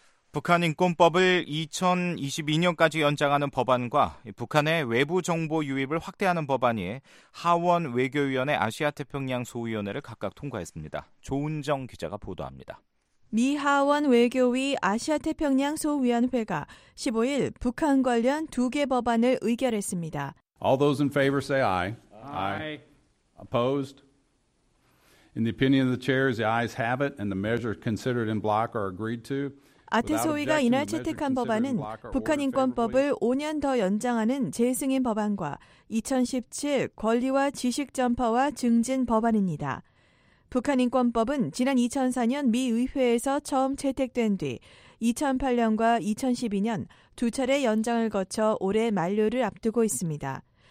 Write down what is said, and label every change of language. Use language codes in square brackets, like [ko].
[ko] 북한 인권법을 2022년까지 연장하는 법안과 북한의 외부 정보 유입을 확대하는 법안이 하원 외교위원회 아시아태평양 소위원회를 각각 통과했습니다. 조은정 기자가 보도합니다. 미 하원 외교위 아시아태평양 소위원회가 15일 북한 관련 두 개 법안을 의결했습니다. [en] All those in favor say aye. Aye. Opposed? In the opinion of the chairs, the ayes have it and the measure considered in block are agreed to. [ko] 아태소위가 이날 채택한 법안은 북한 인권법을 5년 더 연장하는 재승인 법안과 2017 권리와 지식 전파와 증진 법안입니다. 북한 인권법은 지난 2004년 미 의회에서 처음 채택된 뒤 2008년과 2012년 두 차례 연장을 거쳐 올해 만료를 앞두고 있습니다.